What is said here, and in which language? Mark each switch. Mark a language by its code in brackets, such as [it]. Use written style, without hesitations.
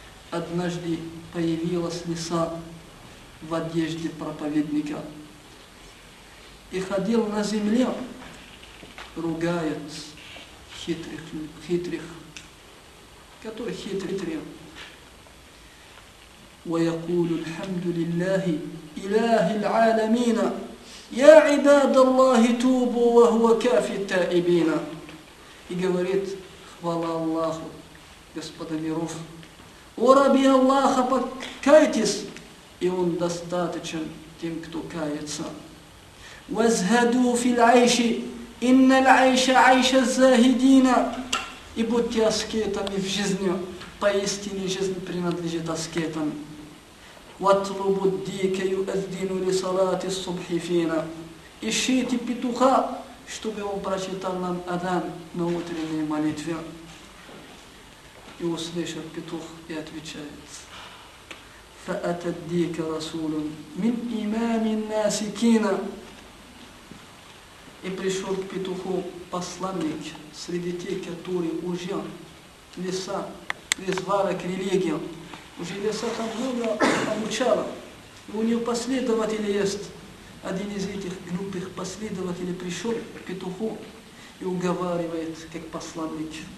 [ru] Однажды появилась лиса в одежде проповедника. и ходил на земле, ругает хитрых, которые хитрые. [ar] ويقول الحمد لله إله العالمين يا عباد الله توبوا وهو كافي التائبين. [ru] И говорит: хвала Аллаху, Господа миров, о рабе Аллаха, покайтесь, и он достаточен тем, кто кается. [ar] وازهدوا في العيش إن العيش عيش الزاهدين. [ru] И будьте аскетами в жизни, поистине жизнь принадлежит аскетам. [ar] وَطْلُبُ الدِّيكَ يُؤَذِّنُ لِصَلَاةِ الصُّبْحِ فِينا. [ru] Ищите петуха, чтобы он прочитал нам адан на утренней молитве. И услышал петух и отвечает: [ar] فَأَتَ الدِّيكَ رَسُولٌ مِنْ إِمَامِ النَّاسِكِينَ. [ru] И пришел к петуху посланник среди тех, которые уже леса призвали к религии. Уже леса там много обучала. И у нее последователи есть. Один из этих глупых последователей пришел к петуху и уговаривает, как посланник.